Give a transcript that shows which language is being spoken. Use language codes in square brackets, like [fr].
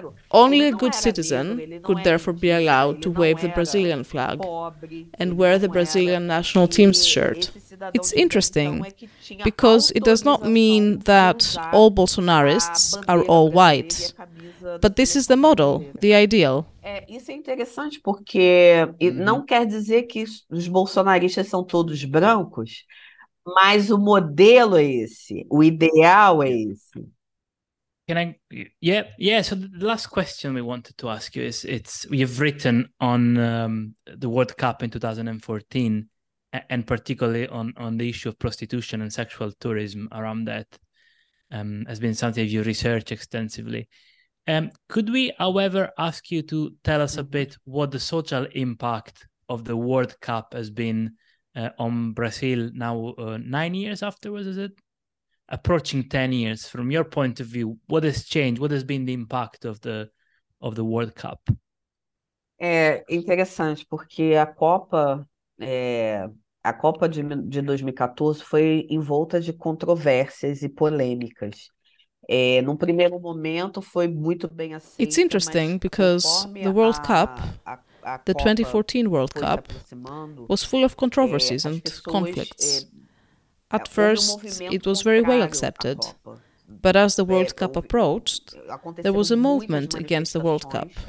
[en] Only a good citizen could therefore be allowed to wave the Brazilian flag and wear the Brazilian national team's shirt. It's interesting, because it does not mean that all Bolsonarists are all white. But this is the model, the ideal. [pt] Isso é interessante porque não quer dizer que os bolsonaristas são todos brancos, mas o modelo é esse, o ideal é esse. [en] Can I? Yeah. So the last question we wanted to ask you is: it's you've written on the World Cup in 2014, and particularly on the issue of prostitution and sexual tourism around that, has been something you research extensively. Could we, however, ask you to tell us a bit what the social impact of the World Cup has been on Brazil now, 9 years afterwards, is it? Approaching 10 years, from your point of view, what has changed? What has been the impact of the World Cup? [pt] É interessante, porque a Copa de 2014 foi envolta de controvérsias e polêmicas. Num primeiro momento foi muito bem aceita, [en] it's interesting because the World Cup, the 2014 World Cup, was full of controversies and conflicts. At first, it was very well accepted, but as the World Cup approached, there was a movement against the World Cup.